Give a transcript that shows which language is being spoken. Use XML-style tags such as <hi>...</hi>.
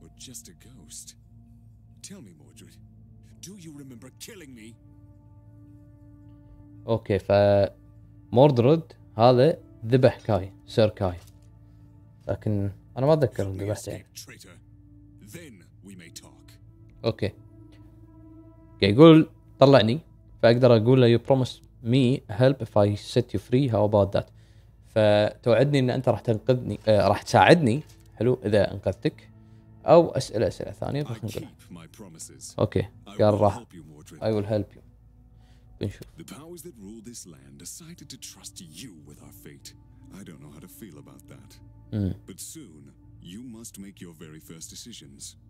<en>Just a ghost. Tell me, Mordred, do you remember killing me?</en> <ar>Okay, ف Mordred هذا ذبح كاي، سير كاي. لكن انا ما اتذكر ذبحته.</ar> <en>Then we may talk.</en> <ar>Okay. قاعد يقول طلعني، فاقدر اقول له</ar> <en>you promised me help if I set you free. How about that?</en> <ar>فتوعدني ان انت راح تنقذني، راح تساعدني، حلو، اذا انقذتك. او اسئله ثانيه راح نقول. اوكي قال راح</ar> <en>I will help you.</en> <ar>بنشوف.</ar> <en>The powers that rule this land decided to trust you with our fate. I don't know how to feel about that. But soon you must make your very first decisions.</en>